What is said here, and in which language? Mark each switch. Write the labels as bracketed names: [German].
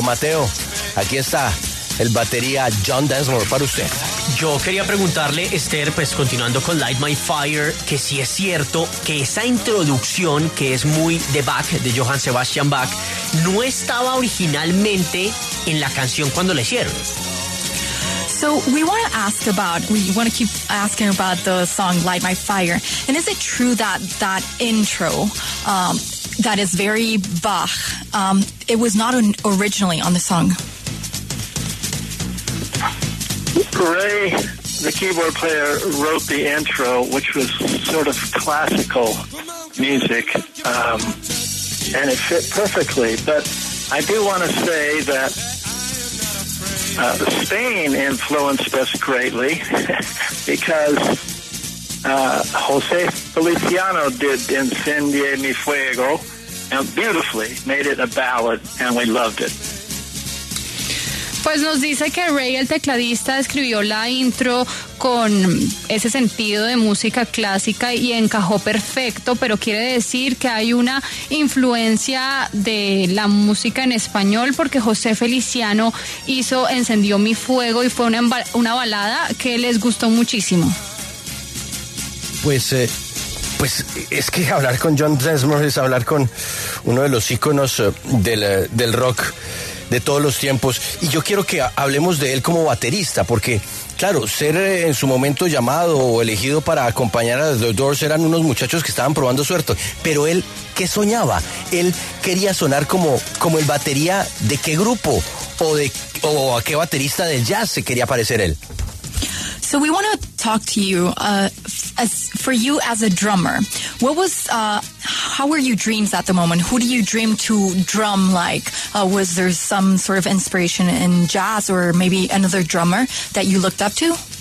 [Spanish] Mateo, aquí está el batería John Densmore para usted. Yo quería preguntarle, Esther, pues continuando con Light My Fire, que si es cierto que esa introducción, que es muy de Bach, de Johann Sebastian Bach, no estaba originalmente en la canción cuando la hicieron. [English] So we want to keep asking about the song Light My Fire. And is it true that intro, that is very Bach, it was not originally on the song? Ray, the keyboard player, wrote the intro, which was sort of classical music, and it fit perfectly. But I do want to say that Spain influenced us greatly because Jose Feliciano did Enciende Mi Fuego and beautifully made it a ballad, and we loved it. [Spanish] Pues nos dice que Ray, el tecladista, escribió la intro con ese sentido de música clásica y encajó perfecto, pero quiere decir que hay una influencia de la música en español porque José Feliciano hizo Encendió Mi Fuego y fue una balada que les gustó muchísimo. Pues es que hablar con John Densmore es hablar con uno de los íconos del rock de todos los tiempos, y yo quiero que hablemos de él como baterista, porque, claro, ser en su momento llamado o elegido para acompañar a The Doors eran unos muchachos que estaban probando suerte, pero él, ¿qué soñaba? Él quería sonar como el batería de qué grupo, o a qué baterista del jazz se quería parecer él. [English] So we want to talk to you, for you as a drummer, what was, how were your dreams at the moment? Who do you dream to drum like? Was there some sort of inspiration in jazz or maybe another drummer that you looked up to?